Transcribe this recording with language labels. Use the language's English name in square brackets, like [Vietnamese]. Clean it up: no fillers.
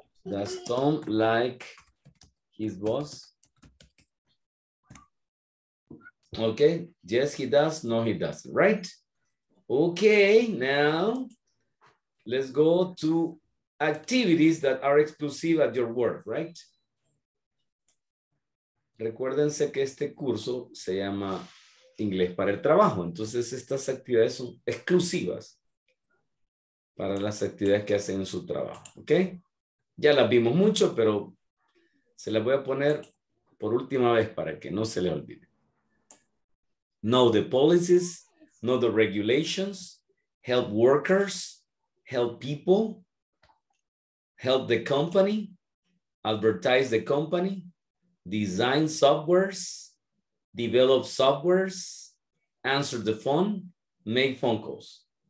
[English] Does Tom like his boss? Okay, yes, he does. No, he doesn't, right? Okay, now let's go to activities that are exclusive at your work, right? [Spanish] Recuérdense que este curso se llama Inglés para el Trabajo. Entonces, estas actividades son exclusivas para las actividades que hacen en su trabajo. ¿Ok? Ya las vimos mucho, pero se las voy a poner por última vez para que no se le olvide. [English] Know the policies, know the regulations, help workers, help people, help the company, advertise the company, design softwares, develop softwares, answer the phone, make phone calls.